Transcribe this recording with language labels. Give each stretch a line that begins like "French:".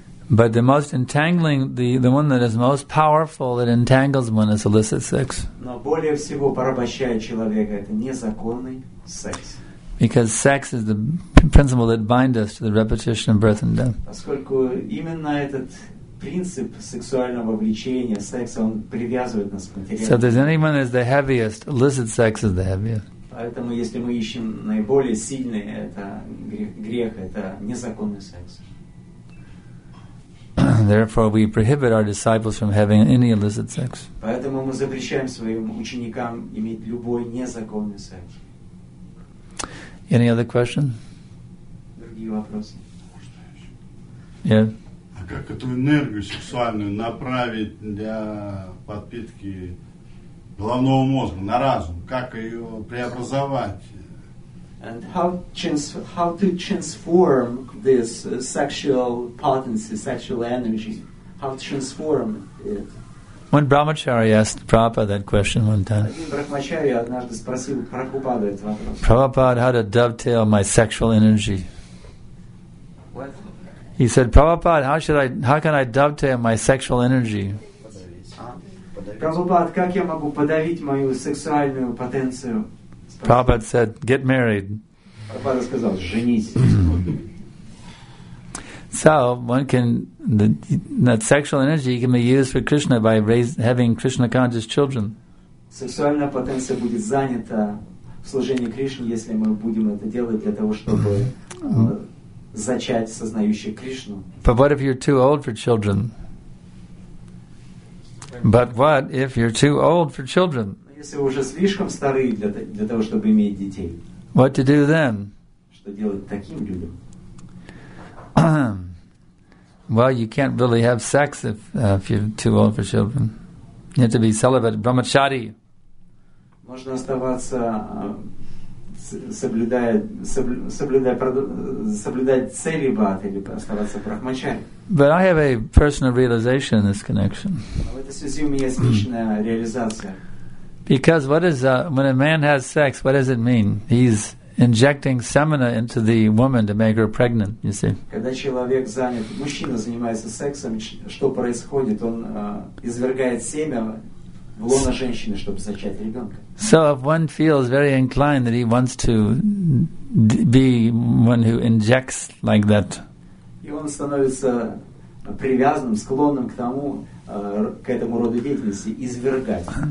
English: But the most entangling, the one that is most powerful that entangles one is illicit sex. Because sex is the principle that binds us to the repetition of birth and death.
Russian: Принцип сексуального влечения, секса, он привязывает нас к материалу.
English: So if there's anyone that's the heaviest, illicit sex is the heaviest.
Russian: Поэтому если мы ищем наиболее сильный, это грех, это незаконный секс.
English: Therefore we prohibit our disciples from having any illicit sex.
Russian: Поэтому мы запрещаем своим ученикам иметь любой незаконный секс.
English: Any other question?
Russian: Другие вопросы?
English: Yeah.
Russian: Как эту энергию сексуальную направить для подпитки головного мозга на разум? Как ее преобразовать?
English: And how to transform this sexual potency, sexual energy? How to transform it? One brahmachari asked Prabhupada that question one time.
Russian: Один брахмачари однажды спросил Прабхупаду этот вопрос.
English: Prabhupada, how to dovetail my sexual energy? He said, Prabhupada, how can I dovetail my sexual energy?
Russian: Prabhupada, как я могу подавить мою сексуальную потенцию?
English: Prabhupada said, get married.
Russian: Prabhupada сказал, женись.
English: So one can that sexual energy can be used for Krishna by having Krishna conscious children.
Russian: сексуальная потенция будет занята в служении Кришне, если мы будем это делать для того, чтобы зачать сознающих Кришну.
English: But what if you're too old for children? But what if you're too old for children?
Russian: Если вы уже слишком стары для того, чтобы иметь детей.
English: What to do then?
Russian: Что делать таким людям?
English: Well, you can't really have sex if you're too old for children. You have to be celibate, brahmachari.
Russian: Можно оставаться соблюдать целибат или оставаться брахмачари.
English: But I have a personal realization in this connection.
Russian: В этой связи у меня есть личная реализация.
English: Because what is when a man has sex, what does it mean? He's injecting semina into the woman to make her pregnant, you see.
Russian: Когда человек занят, мужчина занимается сексом, что происходит? Он извергает семя в лоно женщины, чтобы зачать ребенка. So if one feels very inclined that he wants to be one who injects like that. И он становится привязанным, склонным к тому, к этому роду деятельности, извергать.